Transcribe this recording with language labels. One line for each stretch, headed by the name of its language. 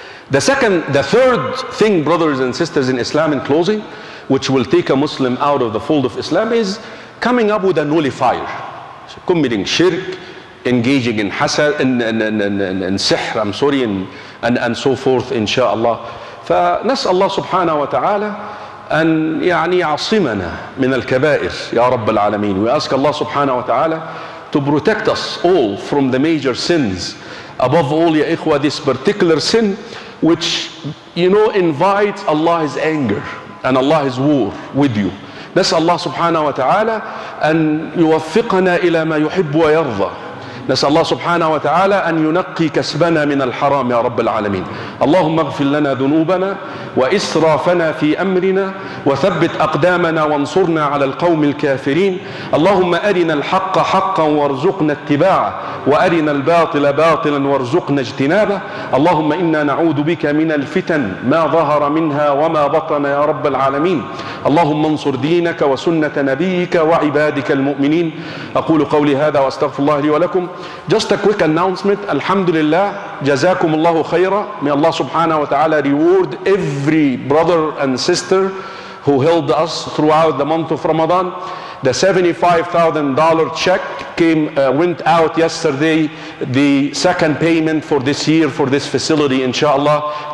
English: The third thing, brothers and sisters in Islam, in closing, which will take a Muslim out of the fold of Islam, is coming up with a nullifier. So committing shirk, engaging in hasad and sihr, I'm sorry, and so forth, inshaAllah.
Arabic: فنسأل الله سبحانه وتعالى أن يعني عصمنا من الكبائر يا رب العالمين.
English: We ask Allah subhanahu wa ta'ala to protect us all from the major sins. Above all, ya ikhwa, this particular sin which, you know, invites Allah's anger and Allah's war with you.
Arabic: نسأل الله سبحانه وتعالى أن يوفقنا إلى ما يحب ويرضى. نسأل الله سبحانه وتعالى أن ينقي كسبنا من الحرام يا رب العالمين. اللهم اغفر لنا ذنوبنا وإسرافنا في أمرنا وثبت أقدامنا وانصرنا على القوم الكافرين. اللهم أرنا الحق حقا وارزقنا اتباعه وأرنا الباطل باطلا وارزقنا اجتنابه. اللهم إنا نعوذ بك من الفتن ما ظهر منها وما بطن يا رب العالمين. اللهم انصر دينك وسنة نبيك وعبادك المؤمنين. أقول قولي هذا وأستغفر الله لي ولكم.
English: Just a quick announcement.
Arabic: Alhamdulillah, جزاكم الله خيرا.
English: May Allah subhanahu wa ta'ala reward every brother and sister who helped us throughout the month of Ramadan. The $75,000 check went out yesterday, the second payment for this year for this facility, inshallah.